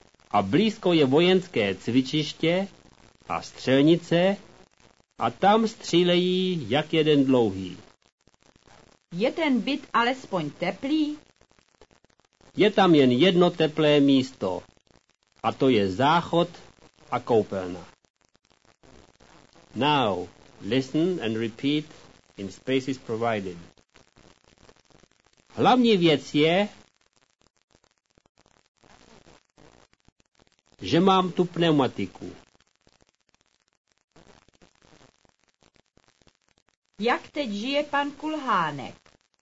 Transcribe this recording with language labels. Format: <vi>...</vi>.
<cs>A blízko je vojenské cvičiště a střelnice a tam střílejí jak jeden dlouhý. Je ten byt alespoň teplý? Je tam jen jedno teplé místo a to je záchod a koupelna.</cs> <en>Now, listen and repeat in spaces provided.</en> <cs>Hlavní věc je, že mám tu pneumatiku. Jak teď žije pan Kulhánek?</cs>